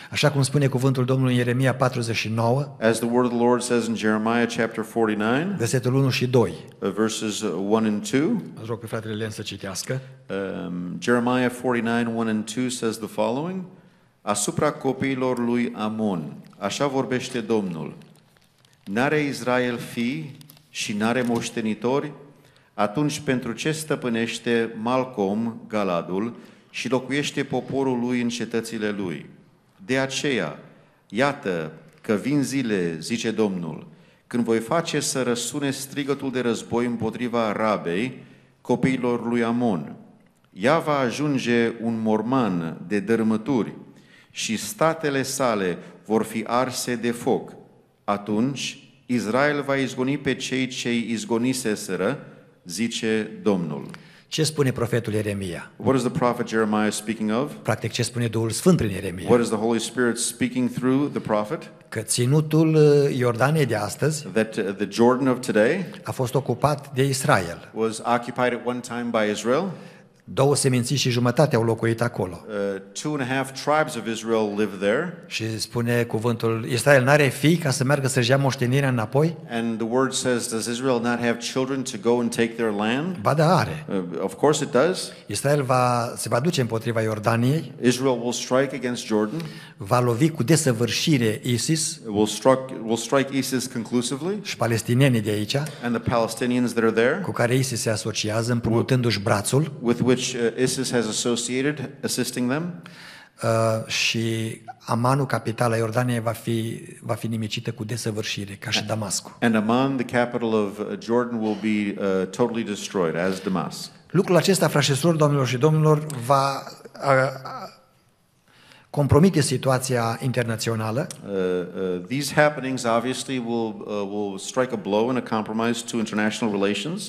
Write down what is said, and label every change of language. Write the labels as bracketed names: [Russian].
[Romanian] Așa cum spune cuvântul Domnului în Ieremia 49. [English] As the word of the Lord says in Jeremiah chapter 49. [Romanian] Versetul 1 și 2. [English] Verses 1 and 2. [Romanian] Aș rog pe fratele Len să citească. [English] Jeremiah 49:1 and 2 says the following. [Romanian] Asupra copiilor lui Amon, așa vorbește Domnul. N-are Israel fii și n-are moștenitori? Atunci pentru ce stăpânește Malcom Galadul și locuiește poporul lui în cetățile lui? De aceea, iată că vin zile, zice Domnul, când voi face să răsune strigătul de război împotriva Rabei, copiilor lui Amon. Ea va ajunge un morman de dărâmături și statele sale vor fi arse de foc. Atunci Israel va izgoni pe cei ce îi izgoniseseră, zice Domnul. Ce spune profetul Ieremia? [English] What is the prophet Jeremiah speaking of? [Romanian] Practic, ce spune Duhul Sfânt prin Ieremia? [English] What is the Holy Spirit speaking through the prophet? [Romanian] Că ținutul Iordaniei de astăzi, [English] that the Jordan of today, [Romanian] a fost ocupat de Israel. [English] Was occupied at one time by Israel. [Romanian] Două seminții și jumătate au locuit acolo. [English] Two and a half tribes of Israel live there. [Romanian] Și spune cuvântul, Israel n-are fii ca să meargă să-și ia moștenirea înapoi? [English] And the word says, does Israel not have children to go and take their land? [Romanian] Ba da, are. [English] Of course it does. [Romanian] Israel se va duce împotriva Iordaniei. [English] Israel will strike against Jordan. [Romanian] Va lovi cu desăvârșire ISIS. [English] Will strike ISIS conclusively. [Romanian] Și palestinienii de aici. [English] And the Palestinians that are there. [Romanian] Cu care ISIS se asociază împrumutându-și brațul. [English] Which ISIS has associated, assisting them. [Romanian] Și Amanul, capitala Iordaniei, va fi nimicită cu desăvârșire, ca și Damascul. [English] And Amman, the capital of Jordan, will be totally destroyed, as Damascus. [Romanian] Lucrul acesta, frașesori, domnilor și domnilor, va compromite situația internațională. [English] These happenings obviously will strike a blow and a compromise to international relations.